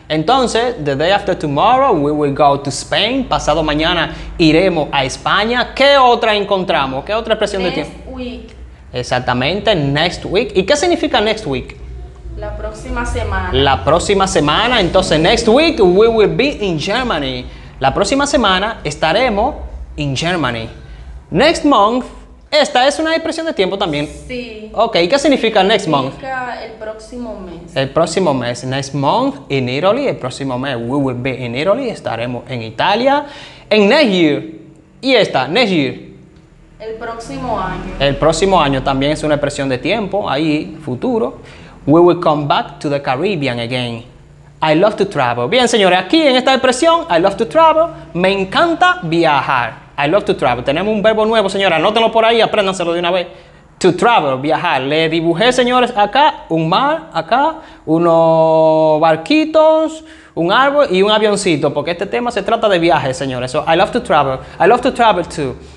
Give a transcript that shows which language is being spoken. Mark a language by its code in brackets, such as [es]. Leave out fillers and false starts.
[en] Entonces, the day after tomorrow we will go to Spain. [es] Pasado mañana iremos a España. ¿Qué otra encontramos? ¿Qué otra expresión [en] next [es] de tiempo? [en] Next week. [es] Exactamente, next week. ¿Y qué significa next week? La próxima semana. La próxima semana, entonces [en] next week we will be in Germany. [es] La próxima semana estaremos [en] in Germany. [es] Next month, esta es una expresión de tiempo también. Sí. Ok, ¿qué significa next month? Significa el próximo mes. El próximo mes, next month in Italy, el próximo mes [en] we will be in Italy, [es] estaremos en Italia. En next year, y esta, next year. El próximo año. El próximo año también es una expresión de tiempo, ahí, futuro. [en] We will come back to the Caribbean again. I love to travel. [es] Bien, señores, aquí en esta expresión, [en] I love to travel, [es] me encanta viajar. I love to travel. Tenemos un verbo nuevo, señora, anótenlo por ahí, apréndanselo de una vez. To travel, viajar. Le dibujé, señores, acá un mar, acá unos barquitos, un árbol y un avioncito, porque este tema se trata de viajes, señores. [en] So, I love to travel. I love to travel too.